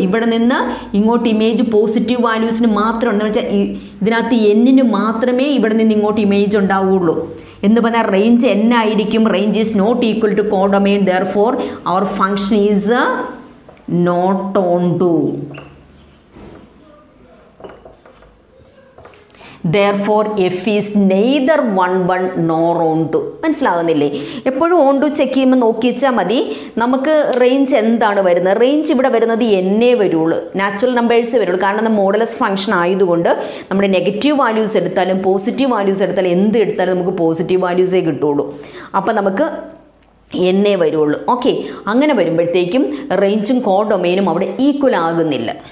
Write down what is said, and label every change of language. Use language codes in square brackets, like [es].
[ml] ഇവിടെ നിന്ന് ഇങ്ങോട്ട് ഇമേജ് പോസിറ്റീവ് വാല്യൂസിന് മാത്രം എന്ന് വെച്ചാൽ ഇതിനകത്ത് എന്നിന് മാത്രമേ ഇവിടെ നിന്ന് ഇങ്ങോട്ട് ഇമേജ് ഉണ്ടാവുകയുള്ളൂ എന്ന് പറഞ്ഞാൽ റേഞ്ച് എൻ ആയിരിക്കും. [en] Range is not equal to codomain, therefore our function is not onto. therefore f is neither 1 1 nor 2. [ml] മനസ്സിലാവുന്നില്ലേ? എപ്പോഴും 2 ചെക്ക് ചെയ്യുമ്പോൾ നോക്കിയിച്ചാൽ മതി നമുക്ക് റേഞ്ച് എന്താണ് വരുന്നത്. റേഞ്ച് ഇവിടെ വരുന്നത് എന്നേ വരുള്ളൂ, നാച്ചുറൽ നമ്പേഴ്സ് വരുള്ളൂ. കാരണം നമ്മൾ മോഡുലസ് ഫംഗ്ഷൻ ആയതുകൊണ്ട് നമ്മൾ നെഗറ്റീവ് വാല്യൂസ് എടുത്താലും പോസിറ്റീവ് വാല്യൂസ് എടുത്താലും എന്ത് എടുത്താലും നമുക്ക് പോസിറ്റീവ് വാല്യൂസേ കിട്ടുകയുള്ളൂ. അപ്പം നമുക്ക് എന്നേ വരുള്ളൂ. ഓക്കെ, അങ്ങനെ വരുമ്പോഴത്തേക്കും റേഞ്ചും കോ ഡൊമൈനും അവിടെ ഈക്വൽ ആകുന്നില്ല.